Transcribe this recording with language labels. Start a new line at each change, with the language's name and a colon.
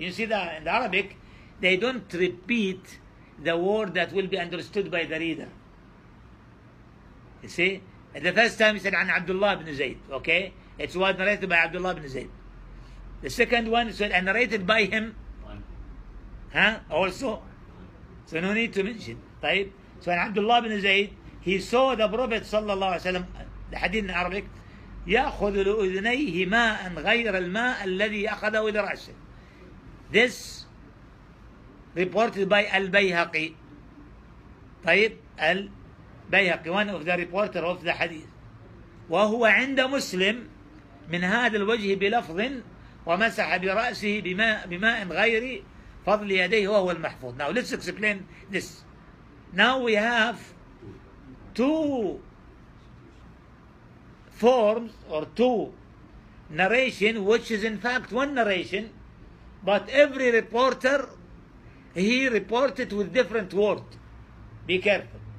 English: You see that in the Arabic they don't repeat the word that will be understood by the reader. You see? The first time he said عن عبد الله بن زيد, okay? It's what narrated by Abdullah bin Zayd. The second one said and narrated by him. Also. So no need to mention. طيب. So عن عبد الله بن زيد, he saw the Prophet صلى الله عليه وسلم, the hadith in Arabic,
Arabic: يأخذ لأذنيه ماء غير الماء الذي أخذه لرأسه.
English: This reported by Al-Bayhaqi. طيب. Bayhaqi, one of the reporter of the hadith.
Arabic: وهو عند مسلم من هذا الوجه بلفظ ومسح برأسه بماء غير فضل يديه وهو المحفوظ.
English: Now let's explain this. Now we have two forms or two narration, which is in fact one narration, but every reporter he reported with different word. Be careful.